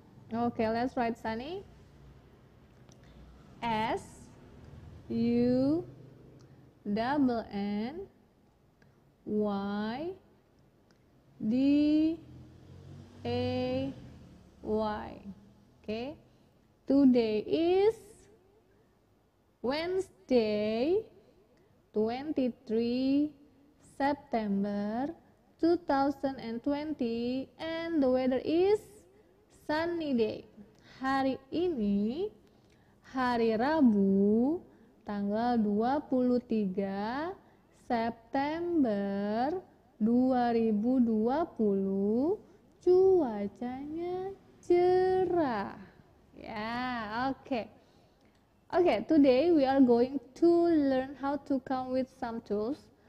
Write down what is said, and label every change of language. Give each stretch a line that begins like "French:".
English: Okay, let's write sunny. S U double N Y D A Y. Okay. Today is Wednesday 23 September 2020 and the weather is sunny day.
Indonesian: Hari ini hari Rabu tanggal 23 September 2020 cuacanya cerah.
English: Yeah, okay. Okay, today we are going to learn how to come with some tools.